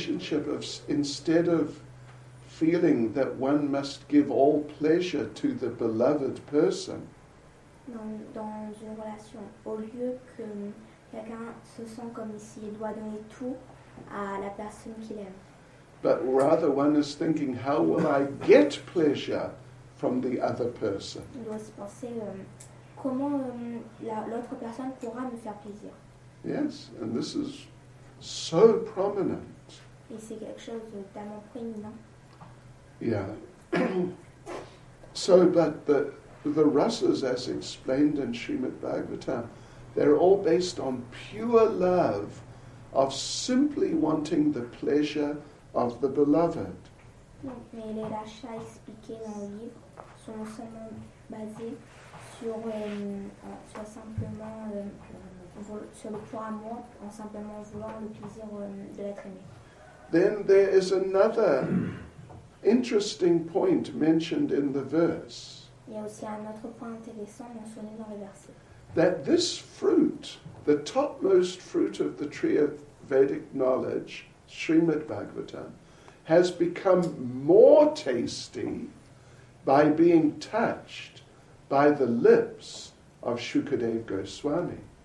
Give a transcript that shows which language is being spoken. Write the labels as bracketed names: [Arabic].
[English] Instead of feeling that one must give all pleasure to the beloved person. [French] Dans une relation, au lieu que quelqu'un se sent comme s'il doit donner tout à la personne qu'il aime. [English] But rather one is thinking, how will I get pleasure from the other person? [French] On doit se penser, comment l'autre personne pourra me faire plaisir? [English] Yes, and this is so prominent. [French] Et c'est quelque chose de tellement prominent. [English] Yeah. So, but the rasas, as explained in Srimad Bhagavatam, they're all based on pure love of simply wanting the pleasure of the beloved. [French] Mais les rasas expliqués dans le livre sont seulement basés sur le pur amour, en simplement voulant le plaisir de l'être aimé. [English] Then there is another interesting point mentioned in the verse. [French] Il y a aussi un autre point intéressant mentionné dans le verset. [English] That this fruit, the topmost fruit of the tree of Vedic knowledge, Srimad Bhagavatam, has become more tasty by being touched by the lips of Shukadev Goswami.